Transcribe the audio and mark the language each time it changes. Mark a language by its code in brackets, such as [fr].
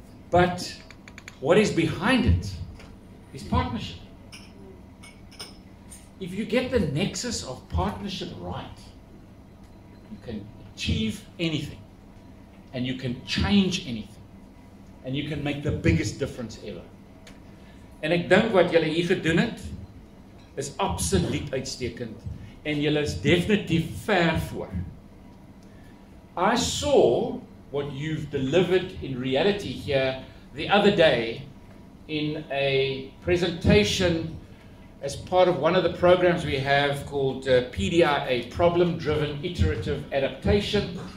[en] But what is behind it is partnership. If you get the nexus of partnership right, you can achieve anything, and you can change anything, and you can make the biggest difference ever. [af] En ek dink wat julle hier gedoen het, is absoluut uitstekend, en julle is definitief ver voor. [en] I saw what you've delivered in reality here the other day in a presentation as part of one of the programs we have called PDIA, Problem-Driven Iterative Adaptation.